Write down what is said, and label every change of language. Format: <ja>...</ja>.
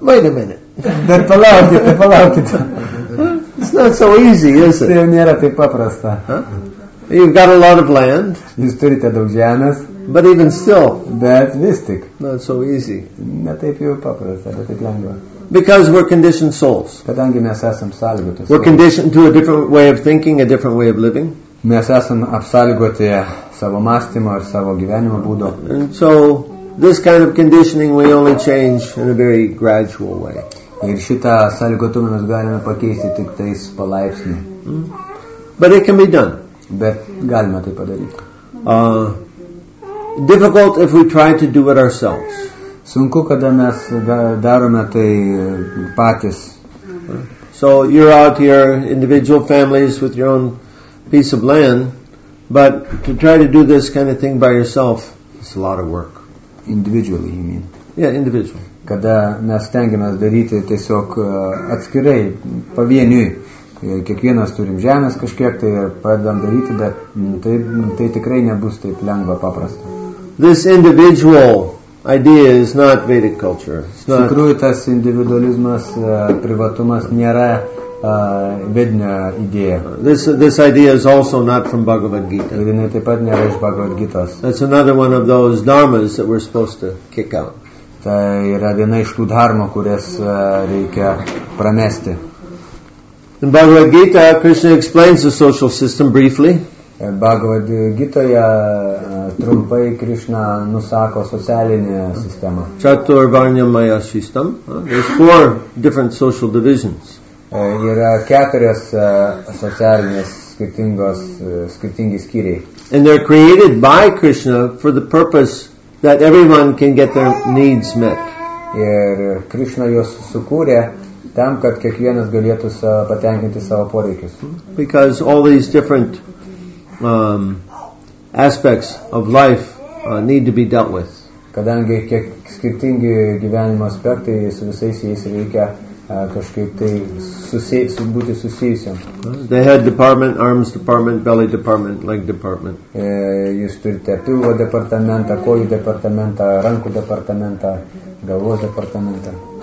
<en>Wait a minute.</en> <lt>Dar palaukite, palaukite.</lt> <en>It's not so easy, is it?</en> <lt>Tai nėra taip paprasta.</lt> <en>You've got a lot of land.</en> <lt>Jūs turite daug žemės.</lt> <en>But even still,</en> <lt>bet vis tik,</lt> <en>not so easy.</en> <lt>Ne taip jau paprasta, bet taip lengva.</lt> <en>Because we're conditioned souls.</en> <lt>Kadangi mes esam sąlygoti.</lt> <en>We're conditioned to a different way of thinking, a different way of living.</en> <lt>Mes esam apsąlygoti savo mąstymo ir savo gyvenimo būdo.</lt> <en>And so, this kind of conditioning we only change in a very gradual way.</en> <lt>Ir šitą sąlygotumą mes galime pakeisti tik tais palaipsniui.</lt> <en>But it can be done.</en> <lt>Bet galima tai padaryti.</lt> <en>Difficult if we try to do it ourselves.</en> <lt>Sunku, kada mes darome tai patys.</lt> <en>So you're out here, individual families with your own piece of land, but to try to do this kind of thing by yourself, it's a lot of work. Individually, you mean? Yeah, individual.</en> <lt>Kada mes stengiamės daryti tiesiog atskirai, pavieniui. Kiekvienas turim žemės kažkiek, tai pradedam daryti, bet tai tikrai nebus taip lengva paprasta.</lt> <en>This individual idea is not Vedic culture.</en> <lt>Iš tikrųjų, tas individualizmas, privatumas nėra vedinio idėja.</lt> <en>This idea is also not from Bhagavad Gita.</en> <lt>Ir jinai taip pat nėra iš Bhagavad Gitas.</lt> <en>That's another one of those dharmas that we're supposed to kick out.</en> <lt>Tai yra viena iš tų dharmų, kurias reikia pramesti.</lt> <en>In Bhagavad Gita, Krishna explains the social system briefly.</en> <lt>Bhagavad Gita Trumpai Krishna nusako socialinę sistemą.</lt> <en>Chaturvarnamaya system. There's four different social divisions.</en> <lt>Yra keturios socialinės skirtingos skirtingi skyriai.</lt> <en>And they're created by Krishna for the purpose that everyone can get their needs met.</en> <lt>Ir Krishna juos sukūrė tam, kad kiekvienas galėtų patenkinti savo poreikius.</lt> <en>Because all these different aspects of life need to be dealt with.</en> <lt>Kadangi kiek skirtingi gyvenimo aspektai su visais jais reikia kažkaip tai būti susijusiam.</lt> <en>The head department, arms department, belly department, leg department.</en> <lt>Jūs turite pilvo departamentą, kojų departamentą, rankų departamentą, galvos departamentą.</lt>